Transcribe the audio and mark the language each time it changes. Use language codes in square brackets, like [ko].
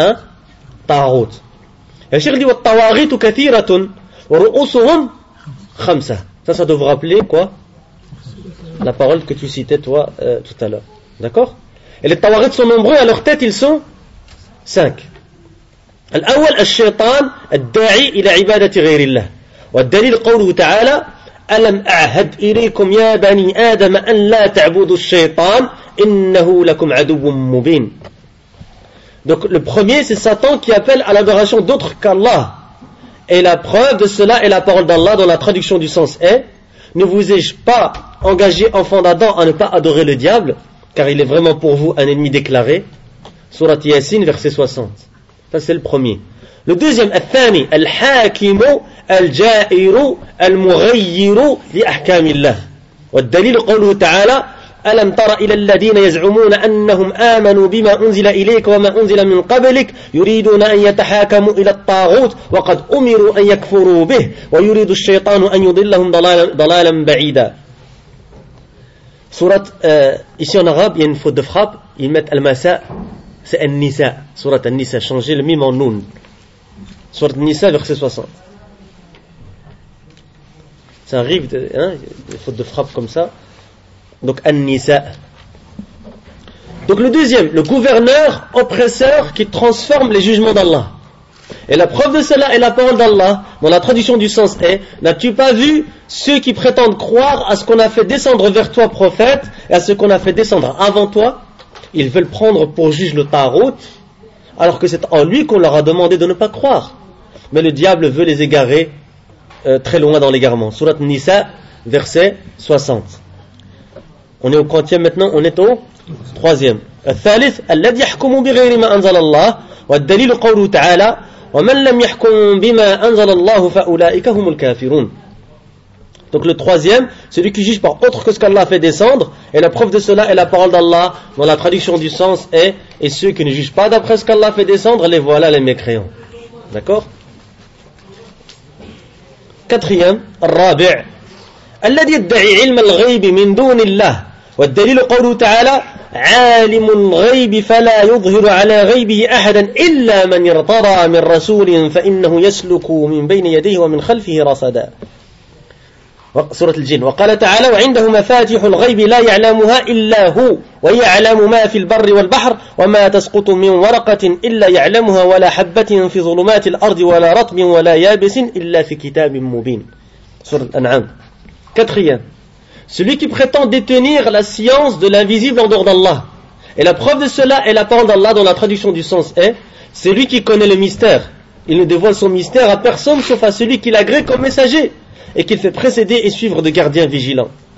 [fr] Un tawarit. Et le cheikh dit [ar] والطواغيت كثيرة ورؤوسهم خمسة. [fr] Ça doit vous rappeler quoi? La parole que tu citais toi tout à l'heure. D'accord? Et les tawarit sont nombreux, à leur tête ils sont 5. [ar] الأول الشيطان الداعي إلى عبادة غير الله والدليل قوله تعالى ألم أعهد إليكم يا بني آدم أن لا تعبدوا الشيطان إنه لكم عدو مبين. [fr] Donc le premier c'est Satan qui appelle à l'adoration d'autres qu'Allah. Et la preuve de cela est la parole d'Allah dans la traduction du sens est: ne vous ai-je pas engagé enfant d'Adam à ne pas adorer le diable car il est vraiment pour vous un ennemi déclaré. Sourate Yassine verset 60. Ça c'est le premier. Le deuxième, [ar] الثاني, الحاكم الجائر المغير لأحكام الله. والدليل قوله تعالى ألم تر إلى الذين يزعمون أنهم آمنوا بما أنزل إليك وما أنزل من قبلك يريدون أن يتحاكموا إلى الطاغوت وقد أمروا أن يكفروا به ويريد الشيطان أن يضلهم ضلالا بعيدا. [fr] سورة ici en arabe il y a une faute de frappe, ils mettent المساء, c'est النساء, سورة النساء, changer le mime en nun. Sourate Nisa, verset 60. Ça arrive, hein, des fautes de frappe comme ça. Donc, An-Nisa. Donc, le deuxième, le gouverneur oppresseur qui transforme les jugements d'Allah. Et la preuve de cela est la parole d'Allah, dont la traduction du sens est: n'as-tu pas vu ceux qui prétendent croire à ce qu'on a fait descendre vers toi, prophète, et à ce qu'on a fait descendre avant toi? Ils veulent prendre pour juge le Tarout, alors que c'est en lui qu'on leur a demandé de ne pas croire. Mais le diable veut les égarer très loin dans l'égarement. Surat Nisa, verset 60. On est au quantième maintenant, on est au troisième. [ar] الثالث الذي يحكم بغير ما أنزل الله والدليل قوله تعالى ومن لم يحكم بما أنزل الله فأولئك هم الكافرون. [fr] Donc le troisième, celui qui juge par autre que ce qu'Allah a fait descendre, et la preuve de cela est la parole d'Allah, dont la traduction du sens est: et ceux qui ne jugent pas d'après ce qu'Allah a fait descendre, les voilà les mécréants. D'accord? [ar] Quatrième, الرابع الذي يدعي علم الغيب من دون الله والدليل قوله تعالى عالم الغيب فلا يظهر على غيبه أحدا إلا من ارتضى من رسول فإنه يسلك من بين يديه ومن خلفه رصدا. سورة الجن. وقال تعالى وعنده مفاتيح الغيب لا يعلمها إلا هو ويعلم ما في البر والبحر وما تسقط من ورقة إلا يعلمها ولا حبة في ظلمات الأرض ولا رطب ولا يابس إلا في كتاب مبين. سورة الأنعام. كاتخيام. [fr] Celui qui prétend détenir la science de l'invisible en dehors d'Allah. Et la preuve de cela est la parole d'Allah dont la traduction du sens est c'est lui qui connaît le mystère. Il ne dévoile son mystère à personne sauf à celui qu'il agrée comme messager et qu'il fait précéder et suivre de gardiens vigilants.